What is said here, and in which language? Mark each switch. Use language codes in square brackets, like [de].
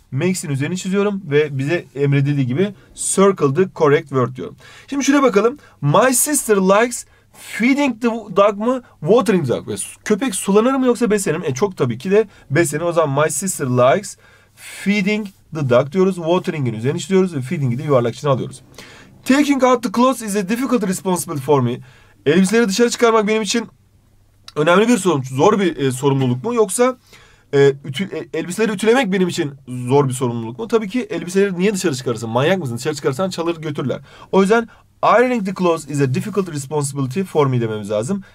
[tr] Makes'in üzerine çiziyorum ve bize emredildiği gibi [en] circle the correct word [tr] diyorum. Şimdi şuraya bakalım. [en] My sister likes feeding the dog mı? Watering the dog. [tr] Köpek sulanır mı yoksa beslenir mi? Çok tabii ki de beslenir. O zaman [en] my sister likes feeding the dog [tr] diyoruz. Watering'in üzerine çiziyoruz ve feeding'i de yuvarlak içine alıyoruz. [en] Taking out the clothes is a difficult responsibility for me. [tr] Elbiseleri dışarı çıkarmak benim için önemli bir sorumluluk. Zor bir sorumluluk mu yoksa elbiseleri ütülemek benim için zor bir sorumluluk mu? Tabii ki elbiseleri niye dışarı çıkarırsın? Manyak mısın? Dışarı çıkarırsan çalır götürürler. O yüzden [en] ironing the clothes is a difficult responsibility for me [tr] dememiz lazım.